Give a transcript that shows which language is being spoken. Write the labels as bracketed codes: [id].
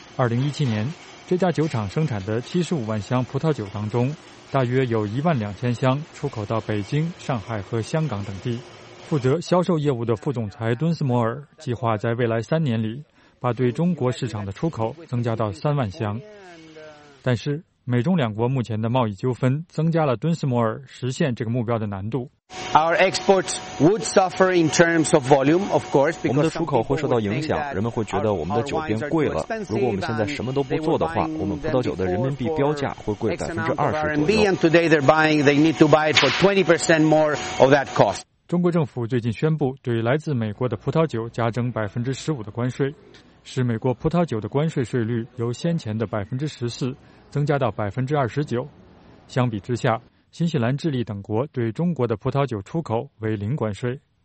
[zh] 2017年，这家酒厂生产的75万箱葡萄酒当中，大约有12000箱出口到北京、上海和香港等地。负责销售业务的副总裁敦斯摩尔计划在未来3年里，把对中国市场的出口增加到30000箱。但是，美中两国目前的贸易纠纷增加了敦斯摩尔实现这个目标的难度。 [en] Our exports would suffer in terms of volume, of course. [zh] 我们的出口会受到影响，人们会觉得我们的酒变贵了。如果我们现在什么都不做的话，我们葡萄酒的人民币标价会贵20%左右。 [en] And today they're buying, they need to buy it for 20% more of that cost. [zh] 中国政府最近宣布对来自美国的葡萄酒加征15%的关税。使美国葡萄酒的关税税率由先前的14%增加到29%。相比之下，新西兰、智利等国对中国的葡萄酒出口为零关税。